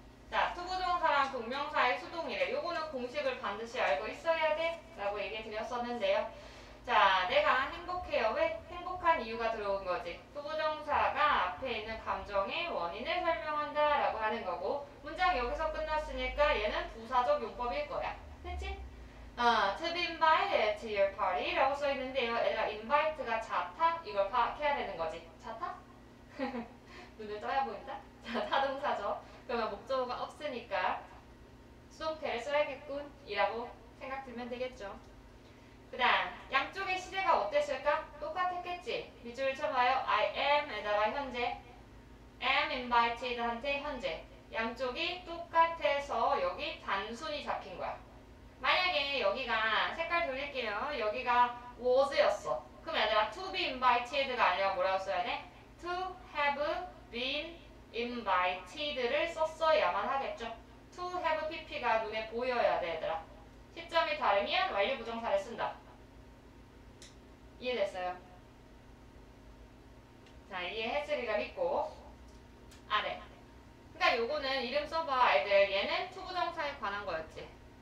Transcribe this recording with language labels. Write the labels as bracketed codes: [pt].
[ko] 자, 투부정사랑 동명사의 수동이래. 요거는 공식을 반드시 알고 있어야 돼. 라고 얘기 드렸었는데요. 자, 내가 행복해요. 왜? 행복한 이유가 들어온 거지. 투부정사가 앞에 있는 감정의 원인을 설명한다. 라고 하는 거고. 문장 여기서 끝났으니까 얘는 부사적 용법일 거야. 그치? [en] To be invited to your party. [ko] 라고 써 있는데요. 얘들아, invite가 자타? 이걸 파악해야 되는 거지. 자타? 눈을 떠야 보인다? 자, 타동사죠. 그러면 목적어가 없으니까 수동태를 써야겠군이라고 생각 들면 되겠죠. 그다음 양쪽의 시제가 어땠을까? 똑같았겠지. 밑줄을 쳐봐요. I am 에다가 현재, am invited 한테 현재. 양쪽이 똑같아서 여기 단순히 잡힌 거야. 여기가 색깔 돌릴게요. 여기가 was였어. 그럼 얘들아, to be invited 가 아니라 뭐라고 써야 돼? [en] To have been invited를 썼어야만 하겠죠. [ko] To have PP 가 눈에 보여야 돼, 얘들아. 시점이 다르면 완료 부정사를 쓴다. 이해됐어요? 자, 이해했으리라 믿고. 아래. 그러니까 요거는 이름 써봐, 애들. 얘는 to 부정사에 관한 거였지.